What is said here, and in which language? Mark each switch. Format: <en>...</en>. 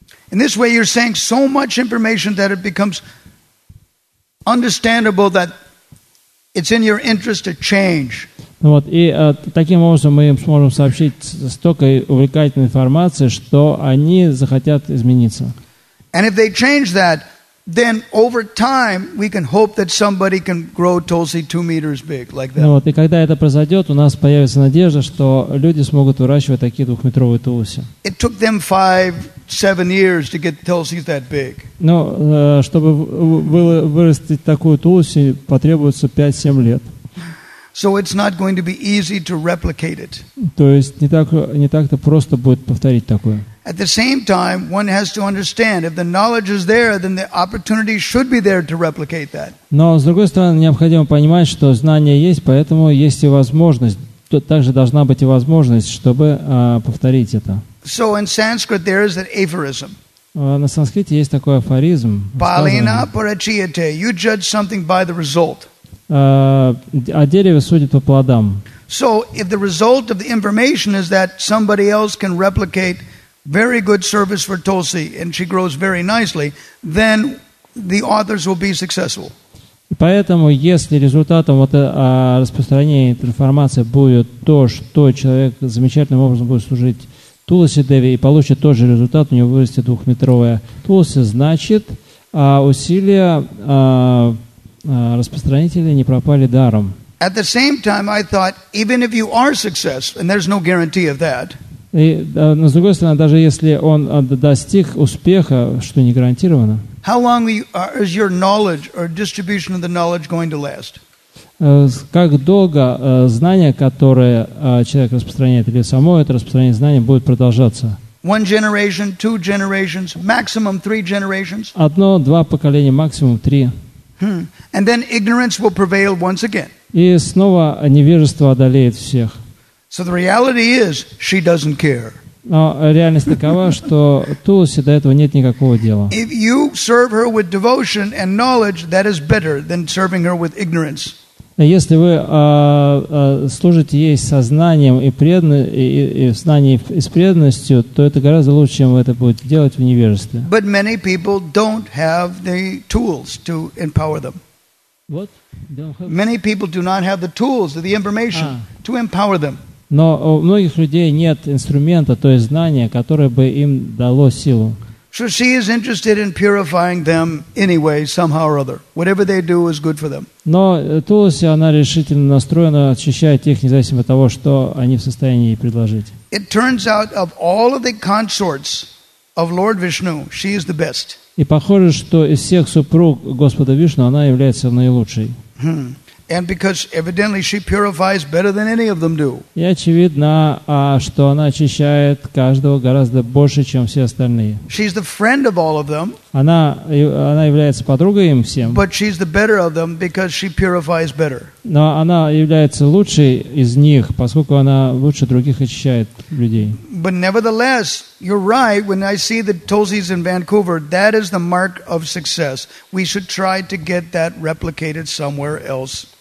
<en>In this way, you're saying so much information that it becomes understandable that it's in your interest to change.</en> <ru>Вот, и таким образом мы им сможем сообщить столько увлекательной информации, что они захотят измениться.</ru> <en>And if they change that, then over time we can hope that somebody can grow Tulsi 2 meters big like that.</en> <ru>Вот, и когда это произойдет, у нас появится надежда, что люди смогут выращивать такие двухметровые тулуси.</ru> <en>It took them 5-7 years to get tulsis that big.</en> <ru>Но чтобы вырастить такую тулуси, потребуется 5-7 лет.</ru> <en>So it's not going to be easy to replicate it.</en> <ru>То есть не так-то просто будет повторить такое.</ru> <en>At the same time, one has to understand if the knowledge is there, then the opportunity should be there to replicate that.</en> <ru>Но с другой стороны, необходимо понимать, что знание есть, поэтому есть и возможность. То также должна быть и возможность, чтобы повторить это.</ru> <en>So in Sanskrit there is an aphorism.</en> <ru>На санскрите есть такой афоризм.</ru> <sa>Palina parachyate.</sa> <en>You judge something by the result.</en> <ru>А дерево судит по плодам.</ru> <en>So if the result of the information is that somebody else can replicate very good service for Tulsi and she grows very nicely, then the authors will be successful.</en> <ru>Поэтому, если результатом распространения этой информации будет то, что человек замечательным образом будет служить Тулси Деви и получит тот же результат, у него вырастет двухметровая Тулси, значит, усилия распространители не пропали даром.</ru> <en>At the same time, I thought, even if you are successful, and there's no guarantee of that.</en> <ru>И, но с другой стороны, даже если он достиг успеха, что не гарантировано.</ru> <en>How long is your knowledge or distribution of the knowledge going to last?</en> <ru>Как долго знание, которое человек распространяет, или само это распространение знания, будет продолжаться?</ru> <en>One generation, 2 generations, maximum 3 generations.</en> <ru>Одно, два поколения, максимум три.</ru> <en>And then ignorance will prevail once again.</en> <ru>И снова невежество одолеет всех.</ru> <en>So the reality is, she doesn't care.</en> <ru>Но реальность такова, что Тулси до этого нет никакого дела.</ru> <en>If you serve her with devotion and knowledge, that is better than serving her with ignorance.</en> <ru>Если вы служите ей сознанием и преданностью, то это гораздо лучше, чем вы это будете делать в невежестве.</ru> <en>But many people don't have the tools to empower them. What? Many people do not have the tools or the information to empower them.</en> <ru>Но у многих людей нет инструмента, то есть знания, которое бы им дало силу.</ru> <en>So she is interested in purifying them anyway, somehow or other. Whatever they do is good for them.</en> <ru>Но Тулси, она решительно настроена очищать их, независимо от того, что они в состоянии предложить.</ru> <en>It turns out of all of the consorts of Lord Vishnu, she is the best.</en> <ru>И похоже, что из всех супруг Господа Вишну она является наилучшей.</ru> <en>And because evidently she purifies better than any of them do.</en> <ru>И очевидно, что она очищает каждого гораздо больше, чем все остальные.</ru> <en>She's the friend of all of them.</en> <ru>Она является подругой им всем.</ru> <en>But she's the better of them because she purifies better.</en> <ru>Но она является лучшей из них, поскольку она лучше других очищает людей.</ru> <en>But nevertheless, you're right. When I see the Tulsis in Vancouver, that is the mark of success. We should try to get that replicated somewhere else.</en>